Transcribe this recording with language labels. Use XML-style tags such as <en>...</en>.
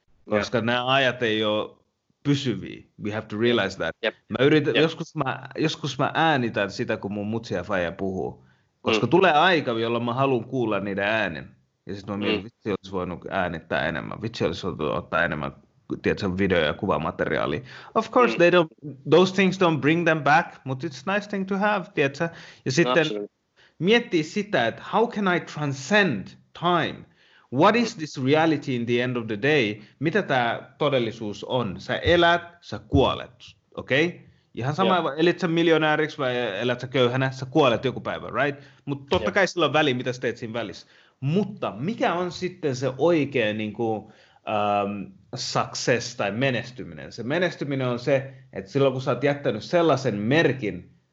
<fi>Koska nämä ajat ei ole pysyviä.</fi> <en>We have to realize that.</en> <fi>Mä yritän, joskus mä äänitän sitä, kun mun mutsi ja faija puhuu. Koska tulee aika, jolloin mä haluan kuulla niiden äänen. Ja sitten mä mietin, vitsi olisi voinut äänittää enemmän. Vitsi olisi voinut ottaa enemmän, tiedätkö, video- ja kuvamateriaalia.</fi> <en>Of course, they don't, those things don't bring them back, but it's a nice thing to have,</en> <fi>tiedätkö. Ja sitten miettii sitä, että</fi> <en>how can I transcend time? What is this reality in the end of the day?</en> <fi>Mitä tämä todellisuus on? Sä elät, sä kuolet, okei? Okay? Ihan sama, elit sä miljonääriksi vai elät sä köyhänä, sä kuolet joku päivä, right? Mutta totta kai sillä on väli, mitä sä teet siinä välissä. Mutta mikä on sitten se oikea niin kuin, success tai menestyminen? Se menestyminen on se, että silloin kun sä oot jättänyt sellaisen merkin</fi>